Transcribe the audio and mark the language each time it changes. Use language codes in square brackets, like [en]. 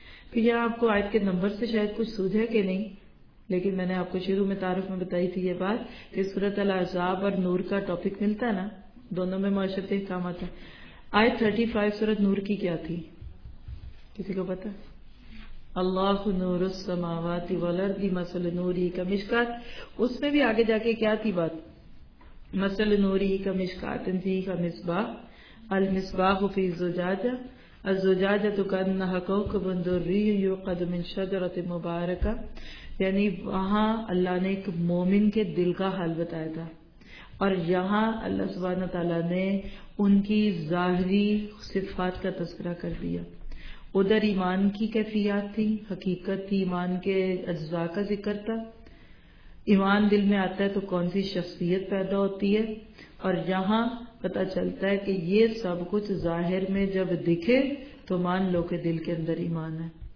[ur] پھر یہ آپ کو آیت کے نمبر سے شاید کچھ سوجھ ہے کہ نہیں, لیکن میں نے آپ کو شروع میں تعارف میں بتائی تھی یہ بات کہ سورۃ العذاب اور نور کا ٹاپک ملتا ہے نا, دونوں میں معاشرتی احکامات ہیں. آیت 35 سورۃ نور کی کیا تھی, کسی کو پتا؟ [ar] اللہ نور السماوات والارض مثل نوری کا مشکات. [ur] اس میں بھی آگے جا کے کیا تھی بات, [ar] مثل نوری کا مشکات, انسی کا مصباح, المصباح في الزجاجة الزجاجة كأنها كوكب دري يوقد من شجرة مباركة. [ur] یعنی وہاں اللہ نے ایک مومن کے دل کا حال بتایا تھا اور یہاں اللہ سبحانہ تعالیٰ نے ان کی ظاہری صفات کا تذکرہ کر دیا. ادھر ایمان کی کیفیات تھی, حقیقت تھی, ایمان کے اجزاء کا ذکر تھا, ایمان دل میں آتا ہے تو کون سی شخصیت پیدا ہوتی ہے, اور یہاں پتہ چلتا ہے کہ یہ سب کچھ ظاہر میں جب دکھے تو مان لو کہ دل کے اندر ایمان ہے.